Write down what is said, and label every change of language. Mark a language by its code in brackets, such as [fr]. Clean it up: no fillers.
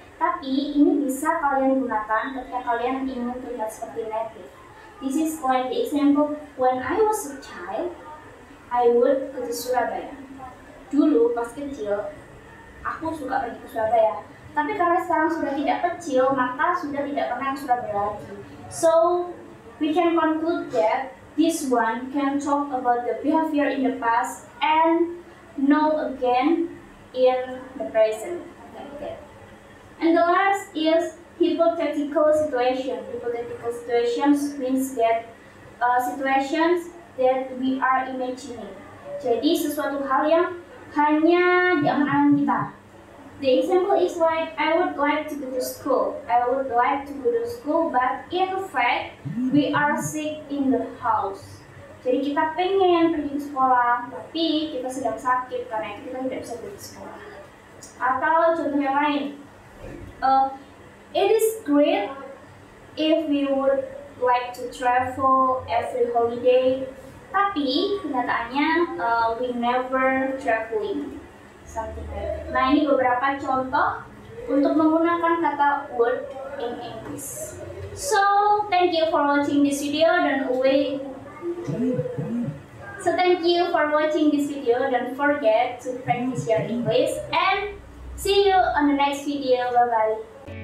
[id] Tapi ini bisa kalian gunakan ketika kalian ingin terlihat seperti native. [en] This is like the example, when I was a child, I would go to Surabaya. [id] Dulu pas kecil, aku suka pergi ke Surabaya. Tapi karena sekarang sudah tidak kecil, maka sudah tidak pernah ke Surabaya lagi. [en] So, we can conclude that this one can talk about the behavior in the past and know again in the present, like that. And the last is hypothetical situation. Hypothetical situations means that situations that we are imagining. [id] Jadi sesuatu hal yang hanya di angan-angan kita. [en] The example is like, I would like to go to school. I would like to go to school, but in fact, we are sick in the house. [id] Jadi kita pengen pergi ke sekolah, tapi kita sedang sakit karena kita tidak bisa pergi ke sekolah. Atau contoh yang lain, [en] it is great if we would like to travel every holiday, [id] tapi kenyataannya [en] we never traveling. Something like that. [id] Nah, ini beberapa contoh untuk menggunakan kata would in English. [en] So, thank you for watching this video. Don't forget to practice your English and see you on the next video. Bye-bye.